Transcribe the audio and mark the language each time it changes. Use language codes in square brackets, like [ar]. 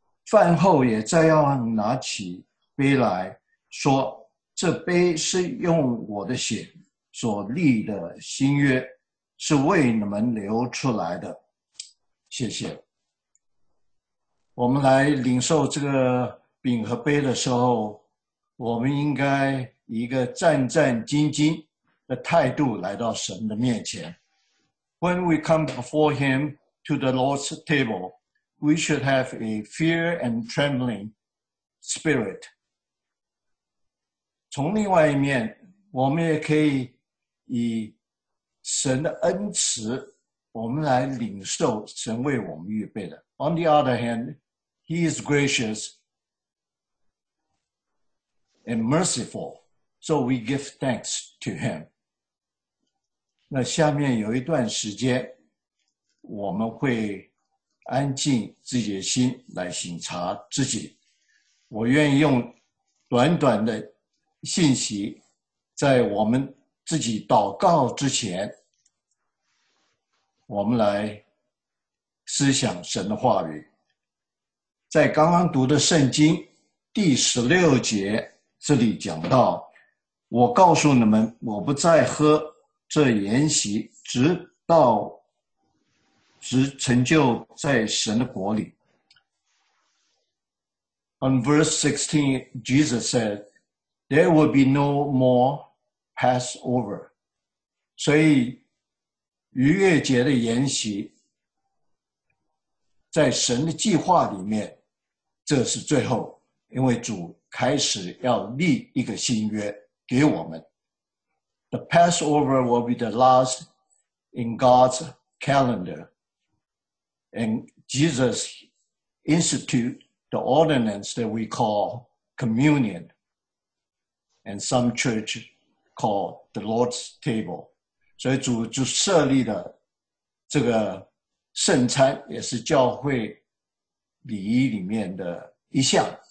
[zh] 饭后也再要拿起杯来说：这杯是用我的血所立的新约，是为你们流出来的。谢谢。我们来领受这个饼和杯的时候，我们应该以一个战战兢兢的态度来到神的面前。 [en] When we come before him to the Lord's table, we should have a fear and trembling spirit. [zh] 从另外一面，我们也可以以神的恩慈，我们来领受神为我们预备的。 [en] On the other hand, He is gracious and merciful, so we give thanks to Him. [zh] 那下面有一段时间，我们会安静自己的心来省察自己。我愿意用短短的信息，在我们自己祷告之前，我们来思想神的话语。在刚刚读的圣经第十六节，这里讲到：我告诉你们，我不再喝这筵席，直成就在神的国里。 [en] On verse 16, Jesus said, There will be no more Passover. [zh] 所以逾越节的筵席在神的计划里面，这是最后，因为主开始要立一个新约给我们。 [en] The Passover will be the last in God's calendar, and Jesus instituted the ordinance that we call communion, and some churchcalled the Lord's table. [zh] 所以主就设立了这个圣餐，也是教会礼仪里面的一项。